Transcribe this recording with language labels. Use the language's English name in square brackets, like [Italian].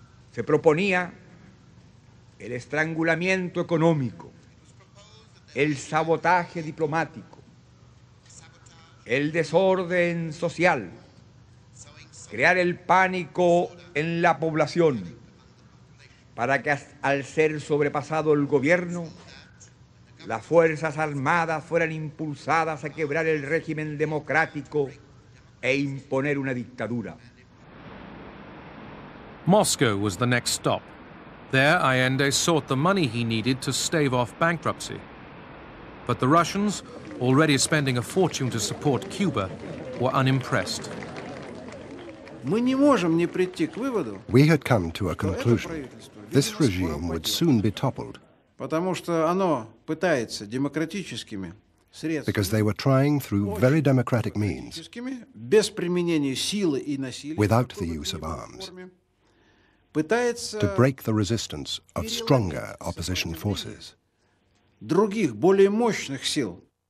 [Spanish] Se proponía el estrangulamiento económico, el sabotaje diplomático, el desorden social, crear el pánico en la población para que al ser sobrepasado el gobierno, las fuerzas armadas fueran impulsadas a quebrar el régimen democrático e imponer una dictadura. [English] Moscow was the next stop. There, Allende sought the money he needed to stave off bankruptcy. But the Russians, already spending a fortune to support Cuba, were unimpressed. We had come to a conclusion. This regime would soon be toppled. Because they were trying through very democratic means, without the use of arms, to break the resistance of stronger opposition forces. [Russian] Других, более мощных сил.